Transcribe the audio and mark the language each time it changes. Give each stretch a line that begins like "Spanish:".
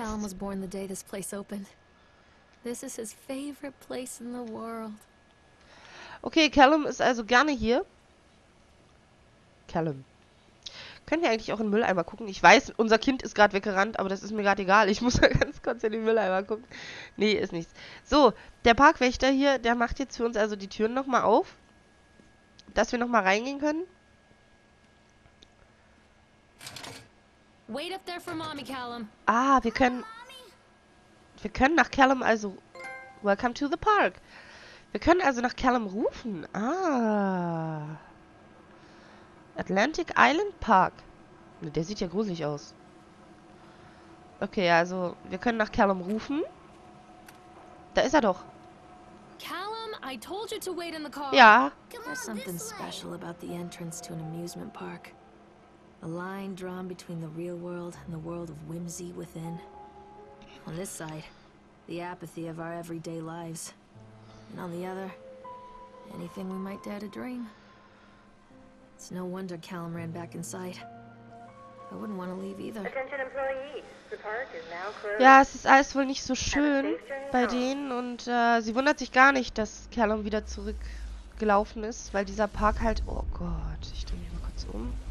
English: Callum was born the day this place opened. This is his favorite place in the world.
German: Okay, Callum ist also gerne hier. Callum. Können wir eigentlich auch in den Mülleimer gucken? Ich weiß, unser Kind ist gerade weggerannt, aber das ist mir gerade egal. Ich muss da ganz kurz in den Mülleimer gucken. Nee, ist nichts. So, der Parkwächter hier, der macht jetzt für uns also die Türen nochmal auf, dass wir nochmal reingehen können.
English: Wait up there for Mommy Callum.
German: Ah, wir können. Wir können nach Callum also.
English: Welcome to the park.
German: Wir können also nach Callum rufen. Ah. Atlantic Island Park. Der sieht ja gruselig aus. Okay, also wir können nach Callum rufen. Da ist er doch.
English: Callum, I told you to wait in the car.
German: Ja.
English: There's something special about the entrance to an amusement park. A line drawn between the real world and the world of whimsy within. On this side, the apathy of our everyday lives. And on the other, anything we might dare to dream. It's no wonder Callum ran back inside. I wouldn't want to leave either. Attention employees, the park is now closed.
German: Ja, es ist alles wohl nicht so schön bei denen und sie wundert sich gar nicht, dass Callum wieder zurückgelaufen ist, weil dieser Park halt. Oh Gott, ich drehe mich mal kurz um.